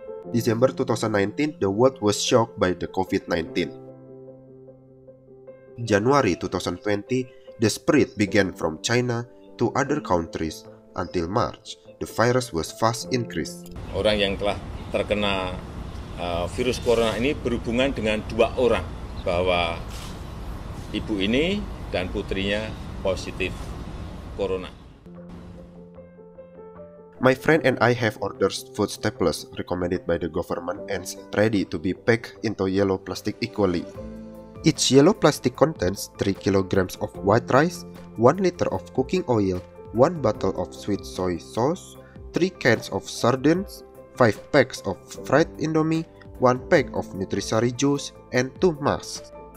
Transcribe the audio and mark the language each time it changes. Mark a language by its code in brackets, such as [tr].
[en] December 2019, the world was shocked by the COVID-19. In January 2020, the spread began from China to other countries. Until March, the virus was fast increased. [id] Orang yang telah terkena virus corona ini berhubungan dengan dua orang, bahwa ibu ini dan putrinya positif corona. [en] My friend and I have ordered food staples recommended by the government and ready to be packed into yellow plastic equally. Each yellow plastic contains 3 kilograms of white rice, 1 liter of cooking oil, 1 bottle of sweet soy sauce, 3 cans of sardines, 5 packs of fried indomie, 1 pack of Nutrisari juice, and 2 masks.